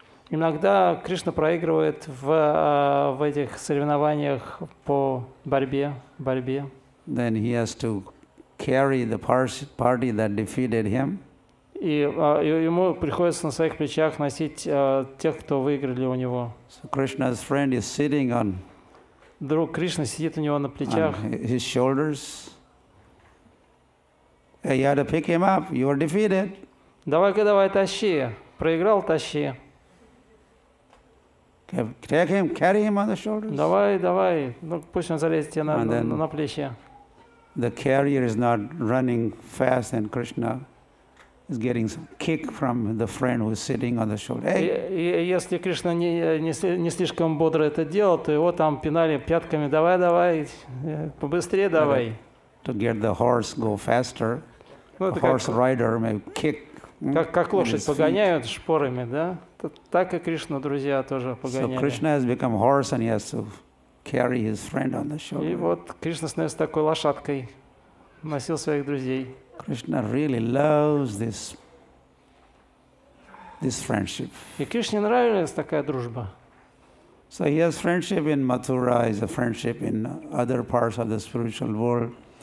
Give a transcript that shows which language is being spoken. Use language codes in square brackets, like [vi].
[ru] Иногда Кришна проигрывает в этих соревнованиях по борьбе. [en] Then he has to carry the party that defeated him. [ru] И ему приходится на своих плечах носить тех, кто выиграли у него. [en] So Krishna's friend is sitting on. [ru] Друг Кришна сидит у него на плечах. [en] His shoulders. Hey, you had to pick him up. You were defeated. [ru] Давай, тащи. Проиграл, тащи. [en] Take him, carry him on the shoulders. [ru] Давай. Ну, пусть он залезет тебе на плечи. [en] The carrier is not running fast, and Krishna is getting some kick from the friend who is sitting on the shoulder. Hey. [ru] И если Кришна не слишком бодро это делал, то его там пинали пятками. Давай, побыстрее, давай. [en] To get the horse go faster, the horse rider may kick. [ru] Как лошадь погоняют шпорами, да? Так и Кришна, друзья, тоже погоняли. [en] So Krishna has become horse and he has to carry his friend on the shoulder. [ru] И вот Кришна становится такой лошадкой, носил своих друзей. [en] Krishna really loves this friendship. [ru] И Кришне нравилась такая дружба. [en] So he has friendship in Mathura, he has a friendship in other parts of the spiritual world.